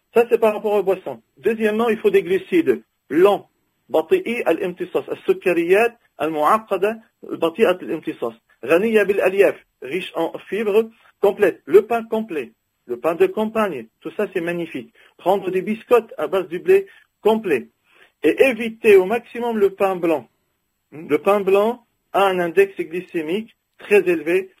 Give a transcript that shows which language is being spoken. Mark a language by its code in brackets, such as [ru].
[fr] Ça, c'est par rapport aux boissons. Deuxièmement, il faut des glucides lents. [ar] بطيئي الامتصاص. السكريات المعقدة بطيئة الامتصاص. غنية بالألياف. [fr] Riche en fibres complètes. Le pain complet. Le pain de campagne. Tout ça, c'est magnifique. Prendre des biscottes à base du blé complet. Et éviter au maximum le pain blanc. Le pain blanc a un index glycémique très élevé.